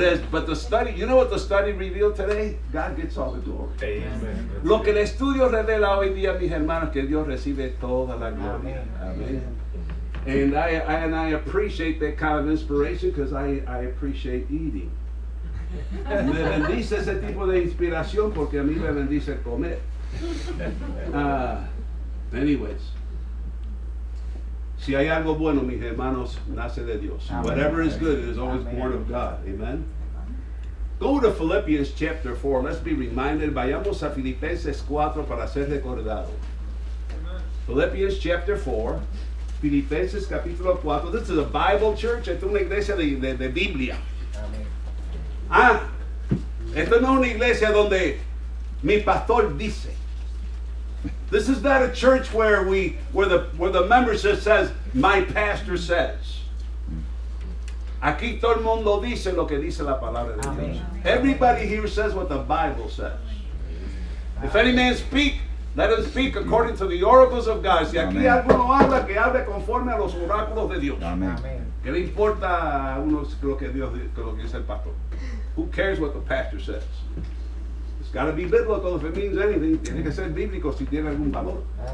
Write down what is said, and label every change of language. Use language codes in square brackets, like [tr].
[en] But the study, you know what the study revealed today? God gets all the glory. Amen. [es] Lo que el estudio revela hoy día, mis hermanos, que Dios recibe toda la gloria. [en] Amen. Amen. And I appreciate that kind of inspiration because I appreciate eating. [es] Me bendice ese tipo de inspiración porque a mí me bendice comer. Anyways. Si hay algo bueno, mis hermanos, nace de Dios. [en] Amen. Whatever is good, it is always Amen. Born of God. Amen. Go to Philippians chapter 4. Let's be reminded. [es] Vayamos a Filipenses 4 para ser recordado. [en] Amen. Philippians chapter 4. [es] Filipenses capítulo 4. [en] This is a Bible church. [es] Esta es una iglesia de Biblia. [en] Amen. [es] Ah, esta no es una iglesia donde mi pastor dice. [en] This is not a church where the membership says, my pastor says. [es] Aquí todo el mundo dice lo que dice la palabra de Dios. [en] Amen. Everybody here says what the Bible says. If any man speak, let him speak according to the oracles of God. [es] Si aquí alguno habla, que hable conforme a los oráculos de Dios. [en] Amen. [es] ¿Qué le importa a uno lo que Dios dice, lo que dice el pastor? [en] Who cares what the pastor says? It's got to be biblical if it means anything. [es] Tiene que ser bíblico si tiene algún valor.